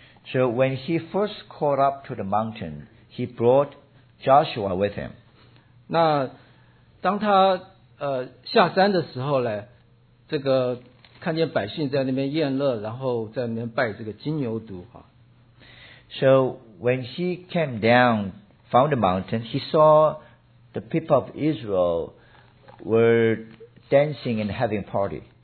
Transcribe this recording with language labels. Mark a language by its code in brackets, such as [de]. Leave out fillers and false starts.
[en] So when he first called up to the mountain, he brought Joshua with him. [zh] 那当他下山的时候呢，这个看见百姓在那边宴乐，然后在那边拜这个金牛犊哈。 [en] So when he came down from the mountain, he saw the people of Israel were dancing and having party.